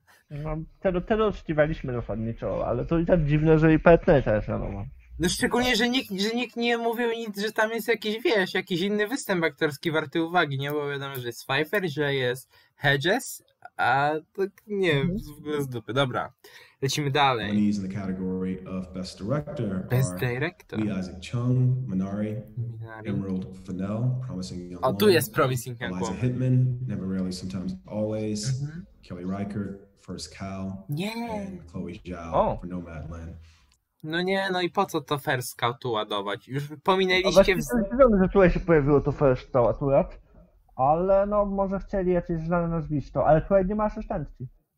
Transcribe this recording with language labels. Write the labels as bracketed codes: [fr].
[pl] No, tego oczekiwaliśmy zasadniczo, ale to i tak dziwne, że i partner też, no. No szczególnie, że nikt nie mówił nic, że tam jest jakiś, wiesz, jakiś inny występ aktorski warty uwagi, nie? Bo wiadomo, że jest Pfeiffer, że jest Hedges, a tak nie, w ogóle z dupy. Dobra, lecimy dalej. [en] Nominees in the category of best director are Lee Isaac Chung, Minari. Emerald Fennell, Promising Young Woman, [pl] tu jest Promising Young [en] Woman. Eliza Hittman, Never Really, Sometimes Always, Kelly Reichert, First Cow, and Chloe Zhao for Nomadland. [pl] No nie, no i po co to First Cow tu ładować? Już pominęliście... A właśnie, że tutaj się pojawiło to First Cow, Ale no, może chcieli jakieś znane nazwisko, ale tutaj nie masz oszczędności.